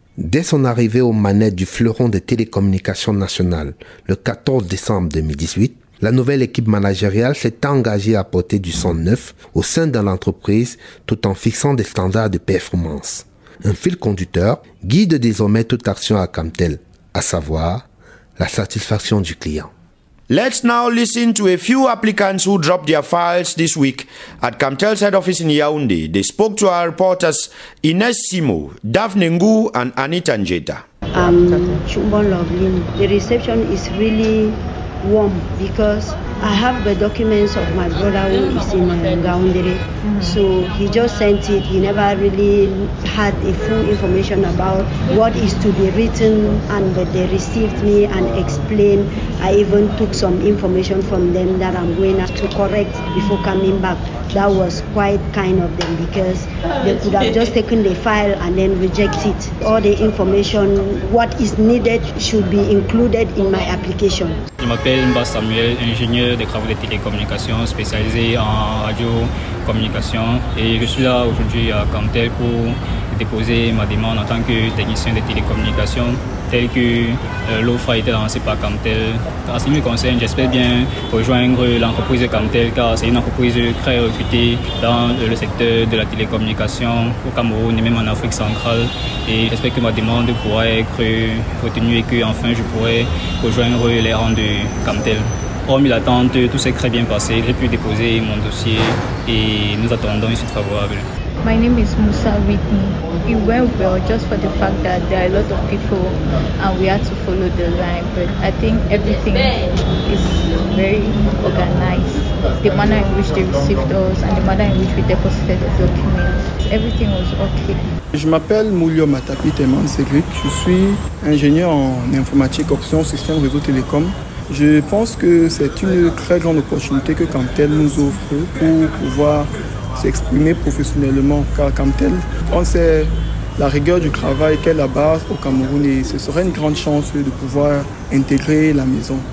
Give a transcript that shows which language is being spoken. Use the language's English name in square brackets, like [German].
[French] Dès son arrivée aux manettes du fleuron des télécommunications nationales le 14 décembre 2018, la nouvelle équipe managériale s'est engagée à porter du sang neuf au sein de l'entreprise tout en fixant des standards de performance. Un fil conducteur guide désormais toute action à Camtel, à savoir la satisfaction du client. [English] Let's now listen to a few applicants who dropped their files this week at Camtel's head office in Yaoundé. They spoke to our reporters Ines Simo, Daphne Ngu, and Anita Njeta. The reception is really warm because I have the documents of my brother who is in Gaundere. So he just sent it. He never really had a full information about what is to be written, and but they received me and explained. I even took some information from them that I'm going out to correct before coming back. That was quite kind of them because they could have just taken the file and then rejected all the information. What is needed should be included in my application. [French] Je m'appelle Mba Samuel, ingénieur des travaux de télécommunication spécialisé en radio communication, et je suis là aujourd'hui à Camtel pour déposer ma demande en tant que technicien de télécommunication, tel que l'offre a été lancée par Camtel. En ce qui me concerne, j'espère bien rejoindre l'entreprise Camtel, car c'est une entreprise très recrutée dans le secteur de la télécommunication au Cameroun et même en Afrique centrale. Et j'espère que ma demande pourra être retenue et que enfin je pourrai rejoindre les rangs de Camtel. Hormis l'attente, tout s'est très bien passé. J'ai pu déposer mon dossier et nous attendons une suite favorable. [English] My name is Musa Whitney. It went well just for the fact that there are a lot of people and we had to follow the line. But I think everything is very organized. The manner in which they received us and the manner in which we deposited the documents, everything was okay. [French] Je m'appelle Moulio Matapi Teman Segrik. Je suis ingénieur en informatique options système réseau télécom. Je pense que c'est une très grande opportunité que Camtel nous offre pour pouvoir s'exprimer professionnellement, car Camtel, on sait la rigueur du travail qu'est la base au Cameroun et ce serait une grande chance de pouvoir intégrer la maison.